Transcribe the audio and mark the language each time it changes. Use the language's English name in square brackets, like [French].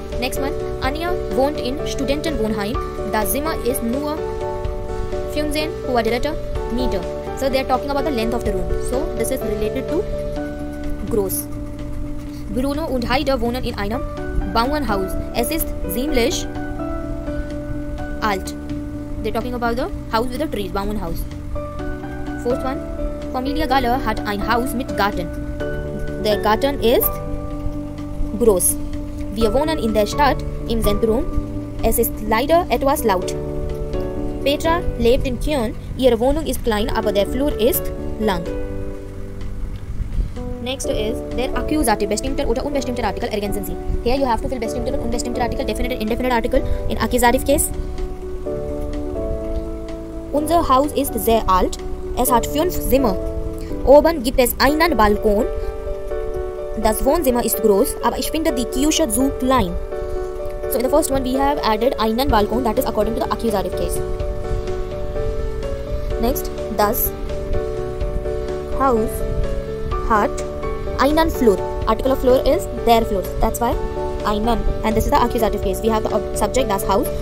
[German] Next one, Anja wohnt in Studentenwohnheim. Das Zimmer ist nur 15 Quadratmeter. [English] So they are talking about the length of the room. So this is related to gross. [German] Bruno und Heide wohnen in einem Bauernhaus. Es ist ziemlich alt. [English] They are talking about the house with the trees, Bauernhaus. Fourth one, [German] Familie Galler hat ein Haus mit Garten. [English] Their garden is gross. [German] Wir wohnen in der Stadt im Zentrum. Es ist leider etwas laut. Petra lebt in Köln. Ihre Wohnung ist klein, aber der Flur ist lang. [English] Next is their accusative, [German] bestimmter oder unbestimmter Artikel, ergänzen Sie. [English] Here you have to fill bestimmter und unbestimmter Artikel, definite and indefinite article in accusative case. [German] Unser Haus ist sehr alt. Es hat 5 Zimmer. Oben gibt es einen Balkon. Das Wohnzimmer ist groß, aber ich finde die Küche zu klein. [English] So in the first one we have added einen Balkon, that is according to the accusative case. Next, [German] das Haus hat einen Flur. [English] Article of floor is their floor. That's why einen. And this is the accusative case. We have the subject, das Haus.